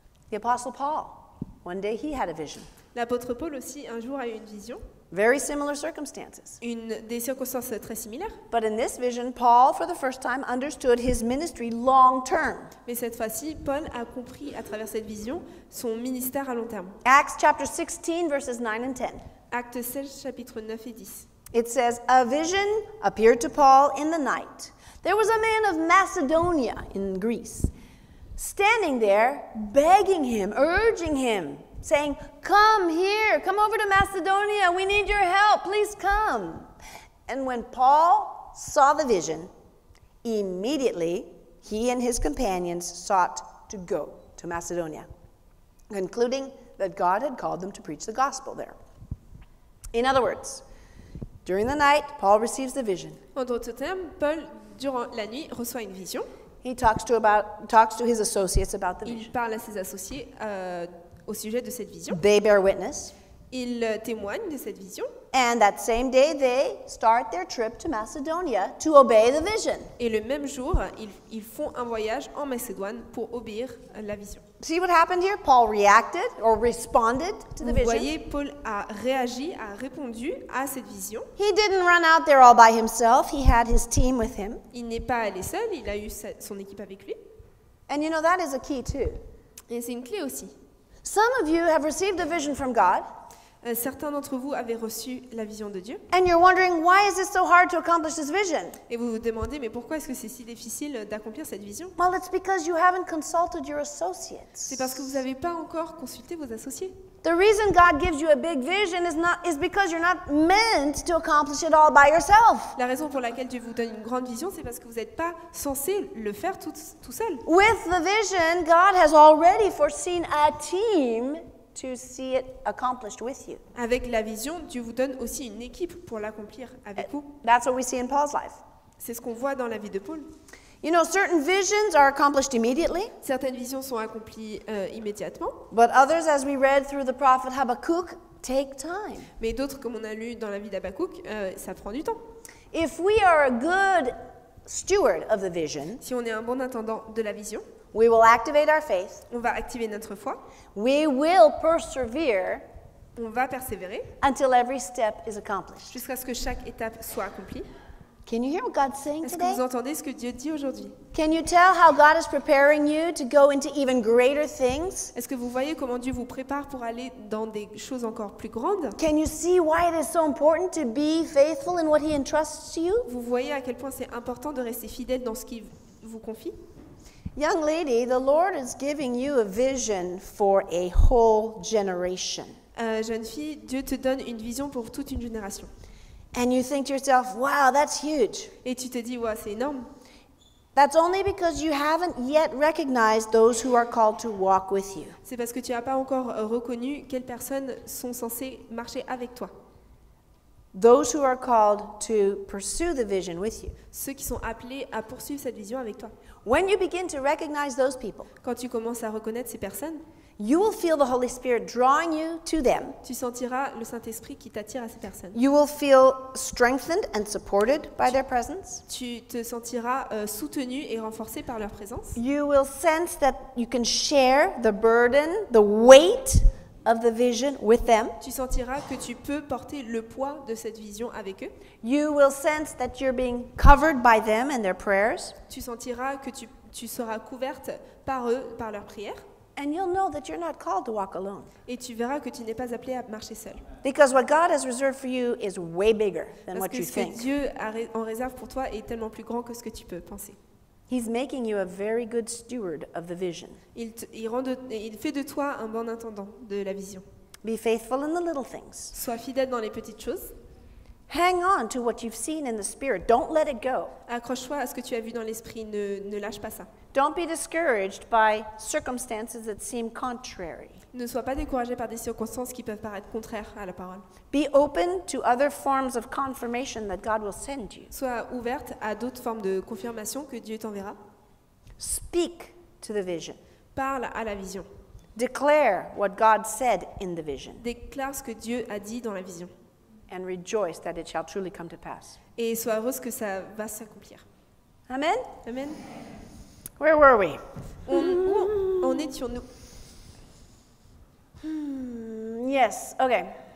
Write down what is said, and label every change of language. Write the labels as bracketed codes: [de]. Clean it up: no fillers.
[en] The Apostle Paul, one day he had a vision. [fr] L'apôtre Paul aussi un jour a eu une vision. [en] Very similar circumstances. [fr] Une des circonstances très similaires. [en] But in this vision, Paul, for the first time, understood his ministry long term. [fr] Mais cette fois-ci, Paul a compris à travers cette vision son ministère à long terme. [en] Acts chapter 16, verses 9 and 10. [fr] Actes 16, chapitre 9 et 10. [en] It says, a vision appeared to Paul in the night. There was a man of Macedonia in Greece, standing there, begging him, urging him, saying, come here, come over to Macedonia, we need your help, please come. And when Paul saw the vision, immediately he and his companions sought to go to Macedonia, concluding that God had called them to preach the gospel there. In other words, during the night, Paul receives the vision. [fr] En d'autres termes, Paul, durant la nuit, reçoit une vision. [en] He talks to his associates about the vision. [fr] Il parle à ses associés au sujet de cette vision. [en] They bear witness. [fr] Ils témoignent de cette vision. [en] And that same day, they start their trip to Macedonia to obey the vision. [fr] Et le même jour, ils font un voyage en Macédoine pour obéir à la vision. [en] See what happened here? Paul reacted or responded to the vision. [fr] Vous voyez, Paul a réagi, a répondu à cette vision. [en] He didn't run out there all by himself. He had his team with him. [fr] Il n'est pas allé seul. Il a eu son équipe avec lui. [en] And you know, that is a key too. [fr] Et c'est une clé aussi. [en] Some of you have received a vision from God. [fr] Certains d'entre vous avaient reçu la vision de Dieu. [en] And you're wondering, why is it so hard to accomplish this vision? [fr] Et vous vous demandez, mais pourquoi est-ce que c'est si difficile d'accomplir cette vision? [en] Well, it's because you haven't consulted your associates. [fr] C'est parce que vous n'avez pas encore consulté vos associés. [en] The reason God gives you a big vision is because you're not meant to accomplish it all by yourself. [fr] La raison pour laquelle Dieu vous donne une grande vision, c'est parce que vous n'êtes pas censé le faire tout seul. [en] With the vision, God has already foreseen a team to see it accomplished with you. [fr] Avec la vision, Dieu vous donne aussi une équipe pour l'accomplir avec vous. [en] That's what we see in Paul's life. [fr] C'est ce qu'on voit dans la vie de Paul. [en] You know, certain visions are accomplished immediately. [fr] Certaines visions sont accomplies immédiatement. [en] But others, as we read through the prophet Habakkuk, take time. [fr] Mais d'autres, comme on a lu dans la vie d'Habakkuk, ça prend du temps. [en] If we are a good steward of the vision, [fr] si on est un bon intendant de la vision, [en] we will activate our faith. [fr] On va activer notre foi. [en] We will persevere. [fr] On va persévérer. [en] Until every step is accomplished. [fr] Jusqu'à ce que chaque étape soit accomplie. [en] Can you hear what God's saying today? [fr] Est-ce que vous entendez ce que Dieu dit aujourd'hui? [en] Can you tell how God is preparing you to go into even greater things? [fr] Est-ce que vous voyez comment Dieu vous prépare pour aller dans des choses encore plus grandes? [en] Can you see why it is so important to be faithful in what He entrusts you? [fr] Vous voyez à quel point c'est important de rester fidèle dans ce qu'il vous confie? [en] Young lady, the Lord is giving you a vision for a whole generation. [fr] Jeune fille, Dieu te donne une vision pour toute une génération. [en] And you think to yourself, wow, that's huge. [fr] Et tu te dis, wow, c'est énorme. [en] That's only because you haven't yet recognized those who are called to walk with you. [fr] C'est parce que tu n'as pas encore reconnu quelles personnes sont censées marcher avec toi. [en] Those who are called to pursue the vision with you. [fr] Ceux qui sont appelés à poursuivre cette vision avec toi. [en] When you begin to recognize those people, [fr] quand tu commences à reconnaître ces personnes, [en] you will feel the Holy Spirit drawing you to them. [fr] Tu sentiras le Saint-Esprit qui t'attire à ces personnes. [en] You will feel strengthened and supported by their presence. [fr] Tu te sentiras soutenu et renforcé par leur présence. [en] You will sense that you can share the burden, the weight of the vision with them. [fr] Tu sentiras que tu peux porter le poids de cette vision avec eux. [en] You will sense that you're being covered by them and their prayers. [fr] Tu sentiras que tu seras couverte par eux, par leurs prières. [en] And you'll know that you're not called to walk alone. [fr] Et tu verras que tu n'es pas appelé à marcher seul. [en] Because what God has reserved for you is way bigger than what you think. [fr] Parce que ce que Dieu a en réserve pour toi est tellement plus grand que ce que tu peux penser. [en] He's making you a very good steward of the vision. [fr] Il fait de toi un bon intendant de la vision. [en] Be faithful in the little things. [fr] Sois fidèle dans les petites choses. [en] Hang on to what you've seen in the spirit. Don't let it go. [fr] Accroche-toi à ce que tu as vu dans l'esprit. Ne lâche pas ça. [en] Don't be discouraged by circumstances that seem contrary. [fr] Ne sois pas découragé par des circonstances qui peuvent paraître contraires à la parole. [en] Be open to other forms of confirmation that God will send you. [fr] Sois ouverte à d'autres formes de confirmation que Dieu t'enverra. [en] Speak to the vision. [fr] Parle à la vision. [en] Declare what God said in the vision. [fr] Déclare ce que Dieu a dit dans la vision. [en] And rejoice that it shall truly come to pass. [fr] Et sois heureuse que ça va s'accomplir. [en] Amen. [fr] Amen. [en] Where were we? [fr] Où en étions-nous? [en] Yes, okay.